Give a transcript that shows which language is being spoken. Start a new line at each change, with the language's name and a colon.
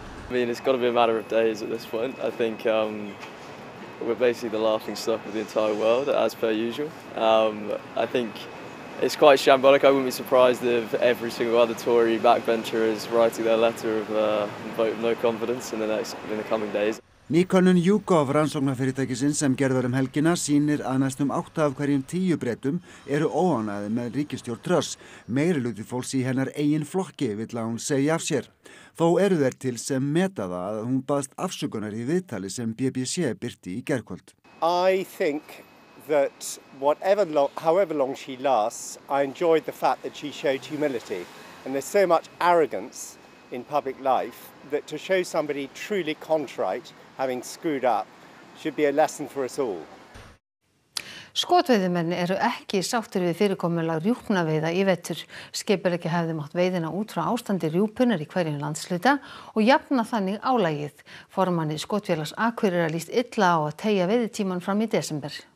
English: I mean, it's got to be a matter of days at this point. I think we're basically the laughing stock of the entire world, as per usual. I think it's quite shambolic. I wouldn't be surprised if every single other Tory backbencher is writing their letter of vote of no confidence in the coming days.
Icelandic: Nýkönnun YouGov rannsóknarfyrirtækisins sem gerður helgina sýnir að næstum 8 af hverjum 10 Bretum eru óánægðir með ríkisstjórn Truss. Meiri hluti fólks í hennar eigin flokki vill að hún segja af sér. Þó eru þeir til sem meta það að hún baðst afsökunar í viðtali sem BBC birti í gærkvöld.
English: I think that however long she lasts, I enjoyed the fact that she showed humility. And there's so much arrogance in public life that to show somebody truly contrite having screwed up should be a lesson for us all.
Icelandic: Skotveiðimenn eru ekki sáttir við fyrirkomulag rjúpnaveiða í vetur. Skipur ekki hefði mátt veiðina út frá ástandi rjúpunar í hverjum landshluta og jafna þannig álagið. Formanni Skotveiðlags Akureyrar líst illa á að tegja veiðitíman fram í desember.